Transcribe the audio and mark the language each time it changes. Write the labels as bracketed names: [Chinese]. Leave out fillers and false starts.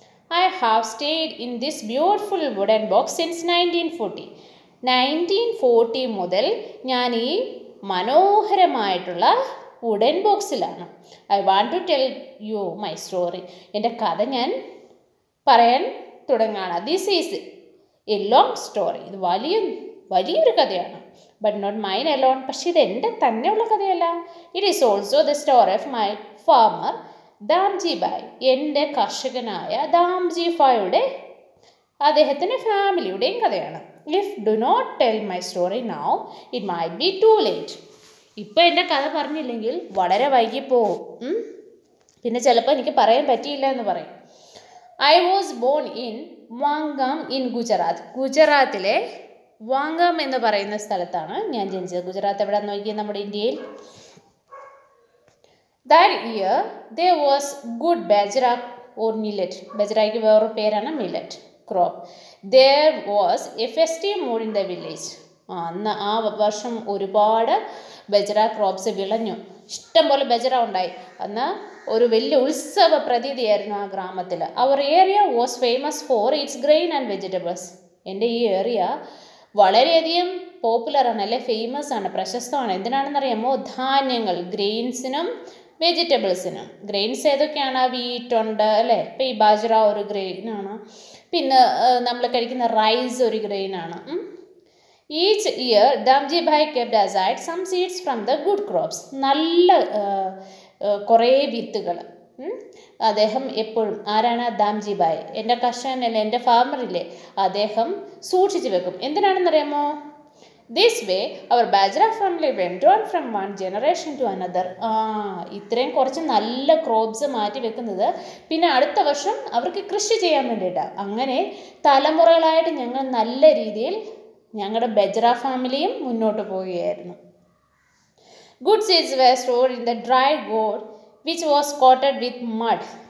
[English] I have stayed in this beautiful wooden box since 1940. [Malayalam] 1940 മുതൽ ഞാൻ ഈ മനോഹരമായിട്ടുള്ള wooden ബോക്സിലാണ്. [English] I want to tell you my story. [Malayalam] എൻ്റെ കഥ ഞാൻ പറയാൻ തുടങ്ങുകയാണ്. [English] This is a long story. [Malayalam] ഇത് വലിയൊരു കഥയാണ്. [English] But not mine alone. [Malayalam] പക്ഷേ ഇത് എൻ്റെ തന്നെ ഉള്ള കഥയല്ല. [English] It is also the story of my farmer Damji Bhai. [Malayalam] എൻ്റെ കർഷകനായ ദാംജി ഭായിയുടെ അദ്ദേഹത്തിൻ്റെ ഫാമിലിയുടെയും കഥയാണ്. [English] If do not tell my story now, it might be too late. [Malayalam] ഇപ്പൊ എന്റെ കഥ പറഞ്ഞില്ലെങ്കിൽ വളരെ വൈകി പോകും. പിന്നെ ചിലപ്പോൾ എനിക്ക് പറയാൻ പറ്റിയില്ല എന്ന് പറയും. [English] I was born in Vankam in Gujarat. [Malayalam] ഗുജറാത്തിലെ വാങ്കാം എന്ന് പറയുന്ന സ്ഥലത്താണ് ഞാൻ ജനിച്ചത്. ഗുജറാത്ത് എവിടെയാന്ന് നോക്കിയത്? നമ്മുടെ ഇന്ത്യയിൽ. [English] That year there was good bajra or millet. [Malayalam] ബജറയ്ക്ക് വേറൊരു പേരാണ് millet. [English] Crop. There was a festive mood in the village. [Malayalam] അന്ന് ആ വർഷം ഒരുപാട് ബജറ ക്രോപ്സ് വിളഞ്ഞു. ഇഷ്ടംപോലെ ബജറ ഉണ്ടായി. അന്ന് ഒരു വലിയ ഉത്സവ പ്രതീതിയായിരുന്നു ആ ഗ്രാമത്തിൽ. [English] Our area was famous for its grain and vegetables. [Malayalam] എൻ്റെ ഈ ഏരിയ വളരെയധികം പോപ്പുലറാണ്, അല്ലെ, ഫേമസ് ആണ്, പ്രശസ്തമാണ്. എന്തിനാണെന്നറിയാമോ? ധാന്യങ്ങൾ, ഗ്രെയിൻസിനും വെജിറ്റബിൾസിനും. ഗ്രെയിൻസ് ഏതൊക്കെയാണ്? വീറ്റുണ്ട്, അല്ലേ. ഇപ്പം ഈ ബജറ ഒരു ഗ്രെയിനാണ്. പിന്നെ നമ്മൾ കഴിക്കുന്ന റൈസ് ഒരു ഗ്രെയിനാണ്. [English] Each year Damji Bhai kept aside some seeds from the good crops. [Malayalam] നല്ല കുറേ വിത്തുകൾ അദ്ദേഹം എപ്പോഴും, ആരാണ് ദാംജി ഭായ്, എൻ്റെ കർഷകനല്ലേ, എൻ്റെ ഫാർമറില്ലേ, അദ്ദേഹം സൂക്ഷിച്ചു വെക്കും. എന്തിനാണെന്നറിയാമോ? [English] This way, our bajra family went on from one generation to another. [Malayalam] ഇത്രയും കുറച്ച് നല്ല ക്രോപ്സ് മാറ്റി വെക്കുന്നത് പിന്നെ അടുത്ത വർഷം അവർക്ക് കൃഷി ചെയ്യാൻ വേണ്ടിയിട്ടാണ്. അങ്ങനെ തലമുറകളായിട്ട് ഞങ്ങൾ നല്ല രീതിയിൽ ഞങ്ങളുടെ ബജ്ര ഫാമിലിയും മുന്നോട്ട് പോവുകയായിരുന്നു. [English] Good seeds were stored in the dry gourd which was coated with mud.